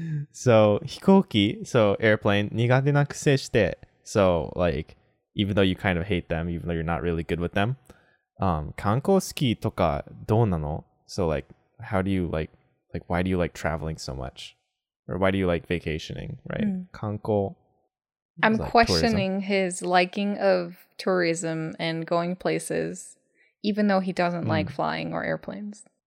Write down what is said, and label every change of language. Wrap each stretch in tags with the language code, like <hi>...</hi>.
<en>So, 飛行機, so airplane,</en> <ja>苦手なくせして.</ja> <en>So, like, even though you kind of hate them, even though you're not really good with them.</en> <ja>観光好きとかどうなの?</ja> <en>So, like, how do you like, why do you like traveling so much? Or why do you like vacationing, right? Mm. 観光 I'm like questioning、tourism. His liking of tourism and going places, even though he doesn't、like flying or airplanes.</en>